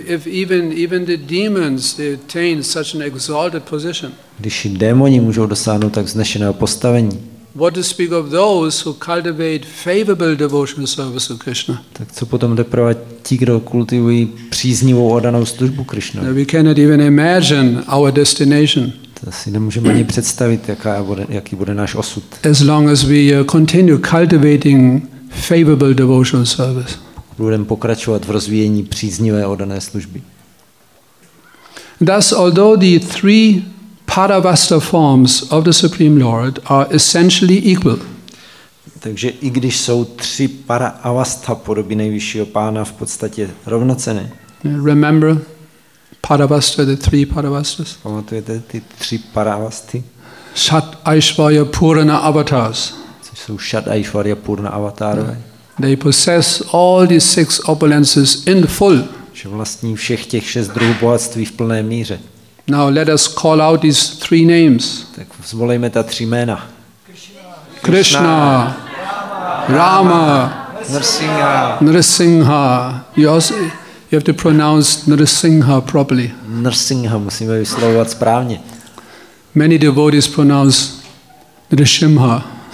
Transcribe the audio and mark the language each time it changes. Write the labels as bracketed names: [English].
[English] If even the demons attain such an exalted position. [Czech] Když i démoni můžou dosáhnout tak vznešeného postavení. [English] What to speak of those who cultivate favorable devotional service to Krishna? [Czech] Tak co potom teprve ti, kdo kultivují příznivou oddanou službu Krishna? [English] We cannot even imagine our destination. [Czech] To si nemůžeme ani představit, jaký bude náš osud. [English] As long as we continue cultivating favorable devotional service. [Czech] Budeme pokračovat v rozvíjení příznivé oddané služby. [English] Thus, although the three Paravasta forms of the Supreme Lord are essentially equal. [Czech] Takže i když jsou tři para avastha podoby nejvyššího pána v podstatě rovnocené. [English] Remember Paravasta, the three Paravastas. [Czech] Pamatujete ty tři paravasty? [English] Shat Aishvarya Purana Avatars. [Czech] Co jsou Shat Aishvarya Purana Avatarové? [English] They possess all the six opulences in full. [Czech] Že vlastní všech těch šest druhů bohatství v plné míře. [English] Now let us call out these three names. [Czech] Tak zvolejme ta tři jména. [English] Krishna. Rama. Narsingha. Narsingha. You have to pronounce Narsingha properly. [Czech] Narsingha musíme vyslovovat správně. [English] Many devotees pronounce Narsimha.